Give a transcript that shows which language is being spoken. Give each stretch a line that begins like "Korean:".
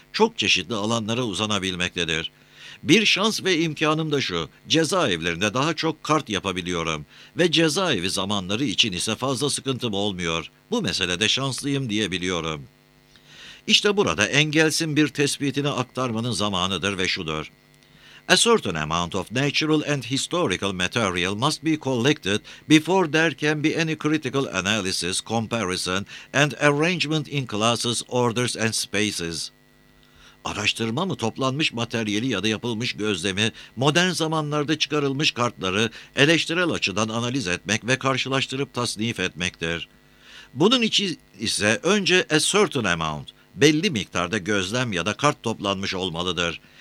Turkish: Çok çeşitli alanlara uzanabilmektedir. Bir şans ve imkanım da şu, cezaevlerinde daha çok kart yapabiliyorum ve cezaevi zamanları için ise fazla sıkıntım olmuyor. Bu meselede şanslıyım diyebiliyorum. İşte burada Engels'in bir tespitini aktarmanın zamanıdır ve şudur.
English: A certain amount of natural and historical material must be collected before there can be any critical analysis, comparison and arrangement in classes, orders and spaces.
Turkish: Araştırma mı, toplanmış materyali ya da yapılmış gözlemi, modern zamanlarda çıkarılmış kartları eleştirel açıdan analiz etmek ve karşılaştırıp tasnif etmektir. Bunun için ise önce
English: a certain amount,
Turkish: belli miktarda gözlem ya da kart toplanmış olmalıdır.